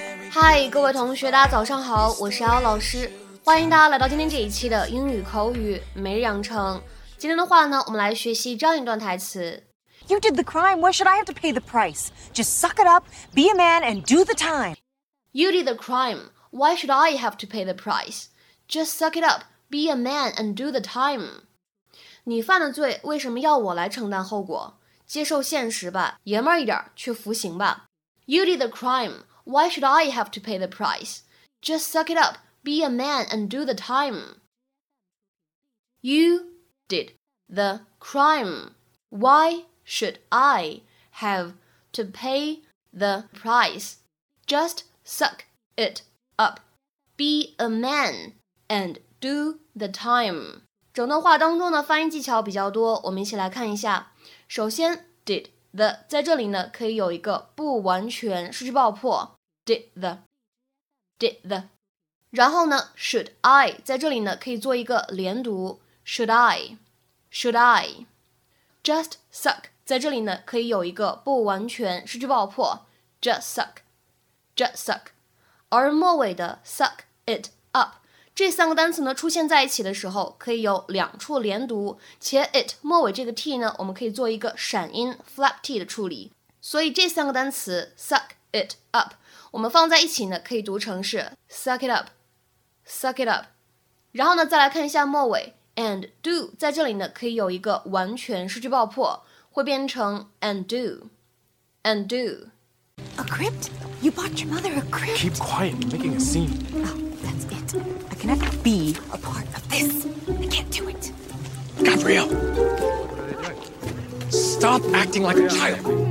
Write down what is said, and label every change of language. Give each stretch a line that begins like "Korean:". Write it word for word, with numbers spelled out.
Chinese: 嗨，各位同学，大家早上好，我是姚老师，欢迎大家来到今天这一期的英语口语每日养成。今天的话呢，我们来学习这样一段台词。
English: You did the crime, why should I have to pay the price? Just suck it up, be a man, and do the time. You did the crime, why should I have to pay the price? Just suck it up, be a man, and do the time.
Chinese: 你犯了罪，为什么要我来承担后果？接受现实吧，爷们儿一点，去服刑吧。
English: You did the crime, why should I have to pay the price? Just suck it up, be a man and do the time. You did the crime, why should I have to pay the price? Just suck it up, be a man and do the time.
Chinese: 整段话当中的发音技巧比较多，我们一起来看一下。首先 did. The 在这里呢，可以有一个不完全失去爆破
English: did the did the，
Chinese: 然后呢 should I 在这里呢可以做一个连读
English: should I should I just suck
Chinese: 在这里呢可以有一个不完全失去爆破 just suck just suck， 而末尾的 suck it up 这三个单词呢出现在一起的时候可以有两处连读，且 it 末尾这个 t 呢我们可以做一个闪音 flap t 的处理，所以这三个单词 suck it up 我们放在一起呢可以读成是
English: suck it up suck it up，
Chinese: 然后呢再来看一下末尾 and do 在这里呢可以有一个完全失去爆破，会变成
English: and do and do A crypt? You bought your mother a crypt? Keep quiet, you're making a scene. Oh, that's it. Cannot be a part of this. I can't do it. Gabrielle, stop acting like a child.